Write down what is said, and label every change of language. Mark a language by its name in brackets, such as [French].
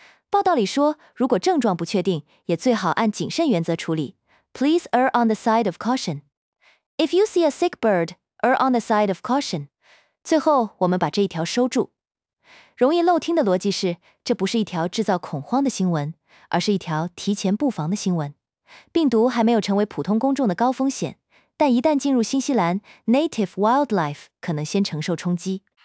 [Chinese] 报道里说，如果症状不确定，也最好按谨慎原则处理。 [English] Please err on the side of caution. If you see a sick bird, err on the side of caution. [Chinese] 最后，我们把这一条收住。容易漏听的逻辑是，这不是一条制造恐慌的新闻，而是一条提前布防的新闻。病毒还没有成为普通公众的高风险，但一旦进入新西兰， [English] native wildlife [Chinese] 可能先承受冲击。